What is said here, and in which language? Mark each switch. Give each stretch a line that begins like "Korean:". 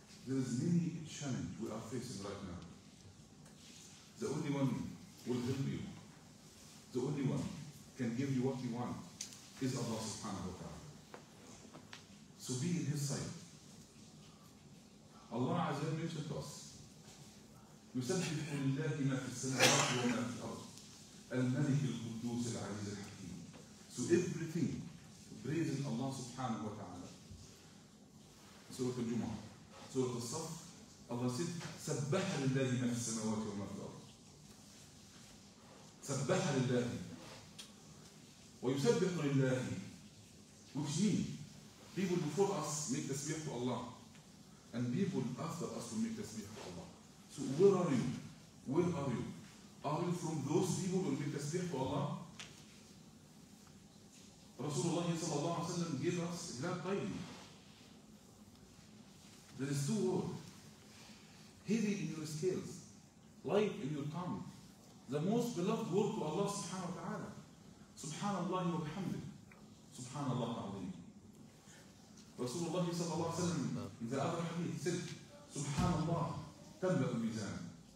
English: There is many challenges we are facing right now. The only one will help you, the only one can give you what you want, is Allah subhanahu wa ta'ala. So be in His sight. Allah Azza wa Jalla to us,
Arabic: يُسَبِّحُ لِلَّهِ مَا فِي السَّمَاوَاتِ وَمَا فِي الْأَرْضِ الْمَلِكِ الْقُدُّوسِ الْعَزِيزِ الْحَكِيمِ.
English: So everything praises Allah subhanahu wa ta'ala. Surah Al-Jumu'ah.
Arabic: سورة الصف الله سيد سبح لله ما في السماوات وما في الأرض سبح لله ويسبح لله
English: which means people before us make تسبيح to Allah
Arabic: and people after us will make تسبيح to Allah.
English: So where are you? Where are you? Are you from those people who make تسبيح to Allah? رسول الله صلى الله عليه وسلم gave us glad tidings. There is two words, heavy in your scales, light in your tongue. The most beloved word to Allah subhanahu wa ta'ala. Subhanallah wa bihamdih. Subhanallah al-Azim. Rasulullah sallallahu alayhi wa sallam, in the other hadith, said, Subhanallah, tamla'u mizan.